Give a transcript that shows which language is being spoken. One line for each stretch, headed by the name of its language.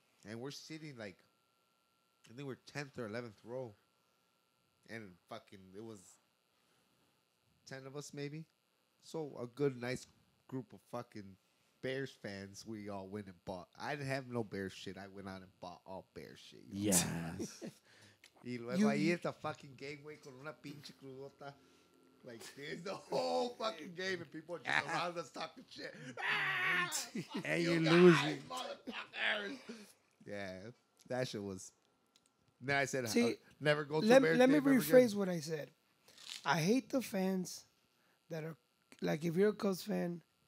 English: And we're sitting like, I think we're 10th or 11th row. And fucking, it was 10 of us maybe. So a good, nice group of fucking Bears fans, we all went and bought. I didn't have no Bears shit. I went out and bought all Bears shit. Yes.
Spanish: Y luego ahí está fucking gangway con una pinche crudota.
English: Like, this the whole fucking game and people are just around us talking shit. And hey, you losing. Motherfuckers. Yeah, that shit was... Then I said, see, never go to let me rephrase what I said. I hate the fans that are, like, if you're a Cubs fan,